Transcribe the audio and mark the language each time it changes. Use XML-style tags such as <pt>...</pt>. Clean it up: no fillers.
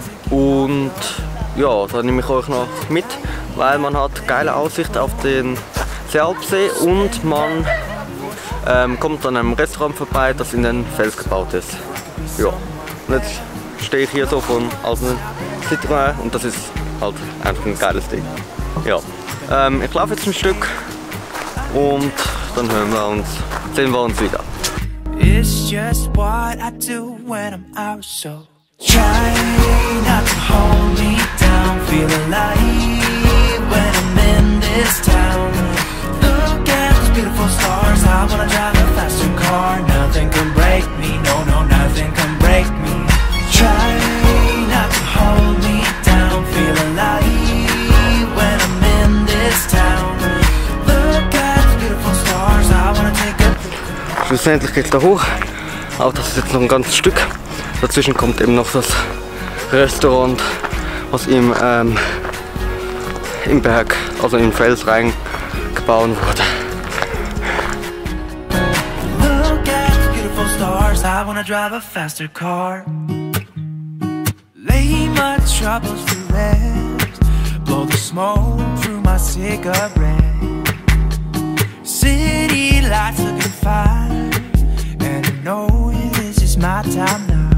<de>Und ja, da nehme ich euch noch mit, weil man hat geile Aussicht auf den Seealpsee und man kommt an einem Restaurant vorbei, das in den Fels gebaut ist. Ja, jetzt stehe ich hier so von alten Citroën und das ist halt einfach ein geiles Ding. Ja, ich laufe jetzt ein Stück und dann sehen wir uns wieder.</de> <en>It's just what I do when I'm out, so try not to hold me down. Feel alive when I'm in this town. Look at those beautiful stars. I wanna drive a faster car. Nothing can break me. No, no, nothing can break me. Try not to hold me down. Feel alive when I'm in this town. Look at those beautiful stars. I wanna take a.</en> <de>Schlussendlich geht's da hoch. Auch das ist jetzt noch ein ganzes Stück. Dazwischen kommt eben noch das Restaurant, was im Berg, also im Fels rein gebaut wurde.</de> <en>Look at beautiful stars, I wanna drive a faster car. Lay my troubles to rest, blow the smoke through my cigarette. City lights looking fine, and I know this is my time now.</en>